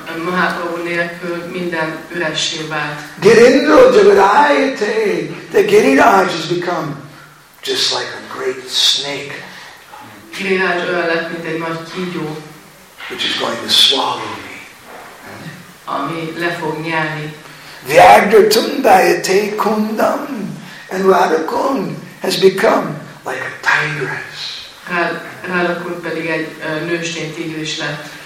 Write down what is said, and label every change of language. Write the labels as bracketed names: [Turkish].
[Hungarian] Mahaprabhu nélkül minden üressé vált. [Sanskrit] Girindra jagrayate, [English] the Giriraj has become just like a great snake. [Hungarian] Giriraj olyan lett, mint egy nagy kígyó, [English] which is going to swallow me. [Hungarian] Ami le fog nyelni. [Sanskrit] Vyagra tundayate kundam, [English] and Radhakund has become like a tigress. [Hungarian] Radhakund pedig egy nőstény tigris lett.